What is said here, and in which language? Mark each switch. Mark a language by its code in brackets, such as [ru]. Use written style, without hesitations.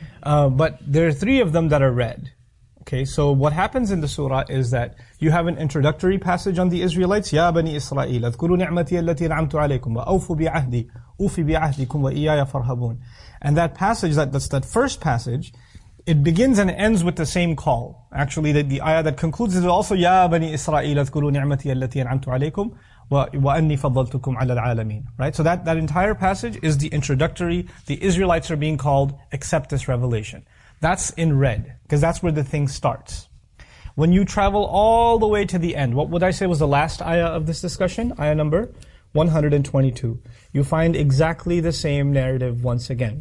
[en] But there are three of them that are red. Okay, so what happens in the surah is that you have an introductory passage on the Israelites. [ar] يَا بَنِي إِسْرَائِيلَ اذْكُرُوا نِعْمَتِيَ الَّتِي نَعَمْتُ عَلَيْكُمْ وَأَوْفُ بِعَهْدِي أُوفِ بِعَهْدِكُمْ وَإِيَّايَ فَرْهَبُونَ. [en] And that passage, that's that first passage, it begins and ends with the same call. Actually, the ayah that concludes is also [ar] يَا بَنِي إِسْرَائِيلَ اذْكُرُوا نِعْمَتِيَ الَّتِي نَعَمْتُ عَلَيْكُمْ وَأَنِّي فَضَّلْتُكُمْ عَلَى الْعَالَمِينَ. [en] Right? So that entire passage is the introductory. The Israelites are being called, accept this revelation. That's in red, because that's where the thing starts. When you travel all the way to the end, what would I say was the last ayah of this discussion? Ayah number 122. You find exactly the same narrative once again.